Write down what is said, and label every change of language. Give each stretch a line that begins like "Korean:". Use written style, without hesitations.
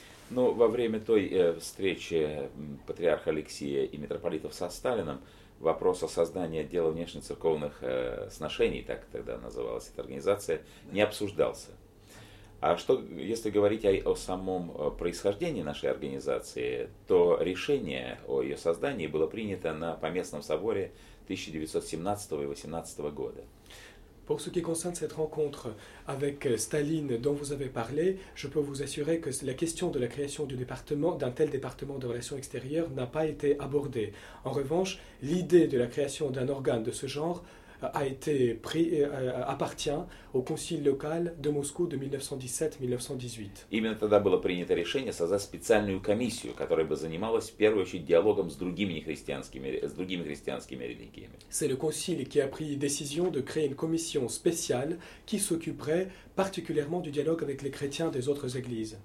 Russian: Ну, во время той встречи патриарха Алексия и митрополитов со Сталиным вопрос о создании отдела внешнецерковных сношений, так тогда называлась эта организация, не обсуждался. А что, если говорить о самом происхождении нашей организации, то решение о ее создании было принято на Поместном соборе 1917-18 года.
French: Pour ce qui concerne cette rencontre avec Staline dont vous avez parlé, je peux vous assurer que la question de la création du département, d'un tel département de relations extérieures n'a pas été abordée. En revanche, l'idée de la création d'un organe de ce genre appartient au concile local de Moscou de 1917-1918.
Russian: Именно тогда было принято решение создать специальную комиссию, которая бы занималась в первую очередь диалогом с другими христианскими религиями.
French: C'est le concile qui a pris décision de créer une commission spéciale qui s'occuperait particulièrement du dialogue avec les chrétiens des autres églises.